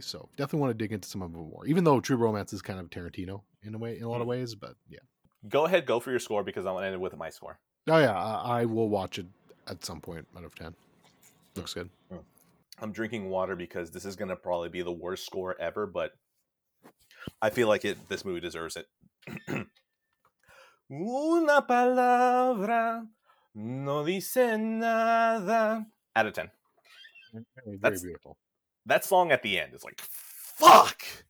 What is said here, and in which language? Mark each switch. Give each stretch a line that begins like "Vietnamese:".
English: So, definitely want to dig into some of it more, even though True Romance is kind of Tarantino in a way, in a lot of ways, but yeah. Go ahead, go for your score, because I want to end it with my score. Oh, yeah, I will watch it. At some point, out of 10. Looks good. I'm drinking water because this is going to probably be the worst score ever, but I feel like this movie deserves it.
Spanish: Una palabra no dice nada.
English: Out of 10. Very beautiful. That song at the end is like, fuck!